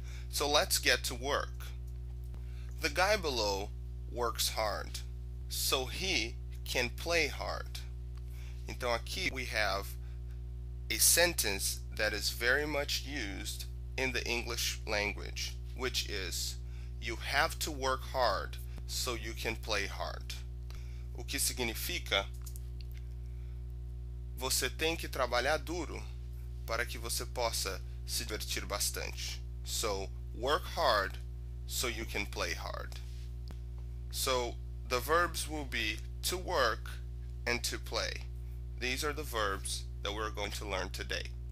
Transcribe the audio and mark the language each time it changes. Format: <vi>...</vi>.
<en>So let's get to work. The guy below works hard, so he can play hard.</en> <pt>Então aqui</pt> <en>we have a sentence that is very much used in the English language, which is, you have to work hard so you can play hard.</en> <pt>O que significa, você tem que trabalhar duro para que você possa se divertir bastante.</pt> <en>So, work hard so you can play hard. So, the verbs will be to work and to play. These are the verbs that we're going to learn today.</en>